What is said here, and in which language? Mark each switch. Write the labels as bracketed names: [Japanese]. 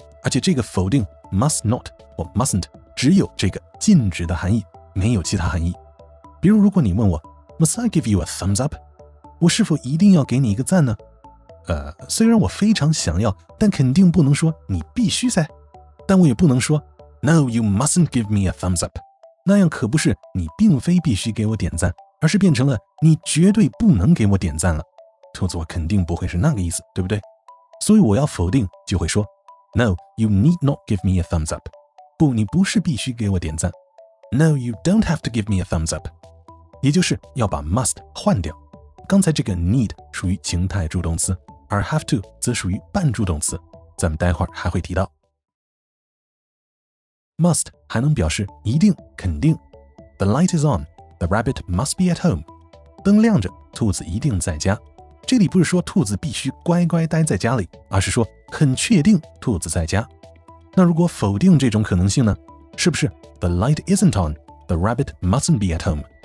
[Chinese] 而且这个否定 must not 或 mustn't 只有这个禁止的含义，没有其他含义。比如如果你问我 [English] Must I give you a thumbs up? [Chinese] 我是否一定要给你一个赞呢？虽然我非常想要，但肯定不能说你必须噻。但我也不能说 [English] No, you mustn't give me a thumbs up. [Chinese] 那样可不是你并非必须给我点赞，而是变成了你绝对不能给我点赞了。兔子，我肯定不会是那个意思，对不对？所以我要否定就会说 [English] No, you need not give me a thumbs up. [Chinese] 不，你不是必须给我点赞。 [English] No, you don't have to give me a thumbs up. [Chinese] 也就是要把 must 换掉。刚才这个 need 属于情态助动词，而 have to 则属于半助动词，咱们待会儿还会提到。 must 还能表示一定、肯定。 [English] The light is on. The rabbit must be at home. [Chinese] 灯亮着，兔子一定在家。这里不是说兔子必须乖乖待在家里，而是说很确定兔子在家。那如果否定这种可能性呢？是不是 [English] The light isn't on, the rabbit mustn't be at home?